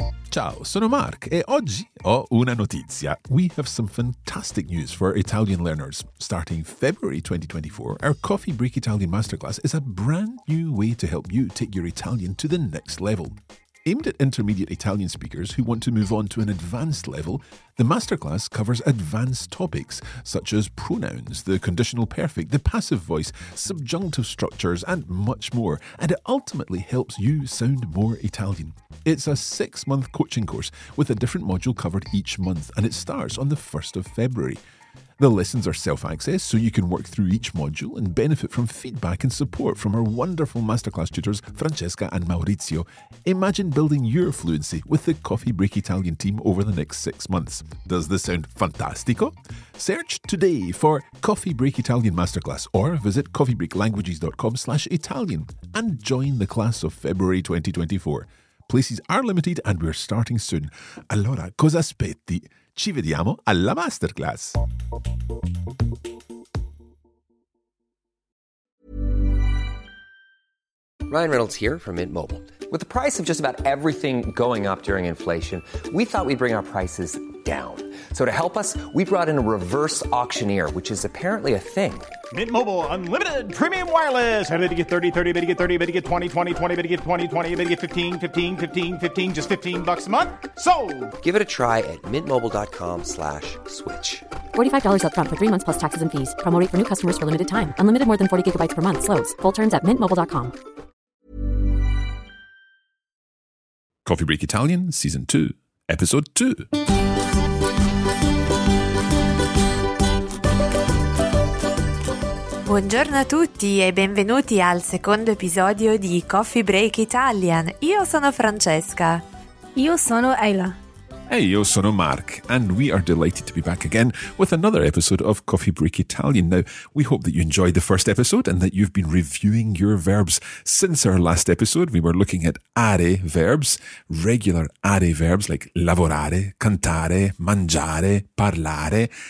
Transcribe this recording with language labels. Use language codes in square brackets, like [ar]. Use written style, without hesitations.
[it] Ciao, sono Mark e oggi ho una notizia. [en] We have some fantastic news for Italian learners. Starting February 2024, our Coffee Break Italian Masterclass is a brand new way to help you take your Italian to the next level. Aimed at intermediate Italian speakers who want to move on to an advanced level, the masterclass covers advanced topics such as pronouns, the conditional perfect, the passive voice, subjunctive structures, and much more, and it ultimately helps you sound more Italian. It's a six-month coaching course with a different module covered each month, and it starts on the 1st of February. The lessons are self-access, so you can work through each module and benefit from feedback and support from our wonderful masterclass tutors, Francesca and Maurizio. Imagine building your fluency with the Coffee Break Italian team over the next 6 months. Does this sound fantastico? Search today for Coffee Break Italian Masterclass or visit coffeebreaklanguages.com/Italian and join the class of February 2024. Places are limited and we're starting soon. [it] Allora, cosa aspetti? Ci vediamo alla masterclass. [en] Ryan Reynolds here from Mint Mobile. With the price of just about everything going up during inflation, we thought we'd bring our prices down. So to help us, we brought in a reverse auctioneer, which is apparently a thing. Mint Mobile Unlimited Premium Wireless. How to get 30, 30, how to get 30, how to get 20, 20, 20, how to get 20, 20, how to get 15, 15, 15, 15, just $15 a month? Sold! Give it a try at mintmobile.com/switch. $45 up front for 3 months plus taxes and fees. Promo rate for new customers for limited time. Unlimited more than 40 gigabytes per month. Slows full terms at mintmobile.com. Coffee Break Italian, Season 2, Episode 2. [it] Buongiorno a tutti e benvenuti al secondo episodio di Coffee Break Italian. Io sono Francesca. Io sono Ayla. E io sono Mark. [en] And we are delighted to be back again with another episode of Coffee Break Italian. Now, we hope that you enjoyed the first episode and that you've been reviewing your verbs. Since our last episode, we were looking at are verbs, regular are verbs like lavorare, cantare, mangiare, parlare.